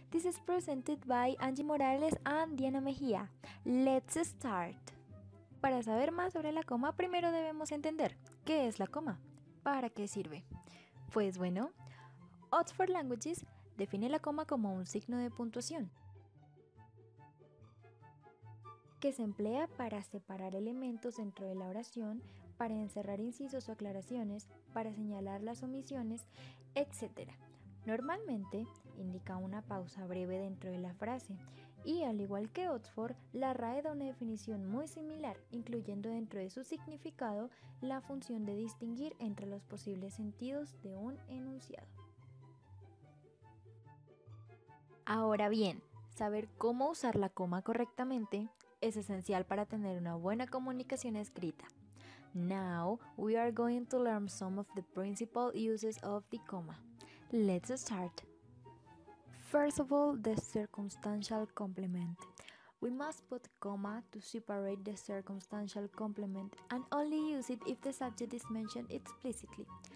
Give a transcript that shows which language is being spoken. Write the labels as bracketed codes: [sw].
[en] This is presented by Angie Morales and Diana Mejía. Let's start! [es] Para saber más sobre la coma, primero debemos entender ¿qué es la coma? ¿Para qué sirve? Pues bueno, Oxford Languages define la coma como un signo de puntuación que se emplea para separar elementos dentro de la oración, para encerrar incisos o aclaraciones, para señalar las omisiones, etc. Normalmente, indica una pausa breve dentro de la frase, y al igual que Oxford, la RAE da una definición muy similar, incluyendo dentro de su significado la función de distinguir entre los posibles sentidos de un enunciado. Ahora bien, saber cómo usar la coma correctamente es esencial para tener una buena comunicación escrita. [en] Now, we are going to learn some of the principal uses of the comma. Let's start. First of all, the circumstantial complement. We must put comma to separate the circumstantial complement and only use it if the subject is mentioned explicitly.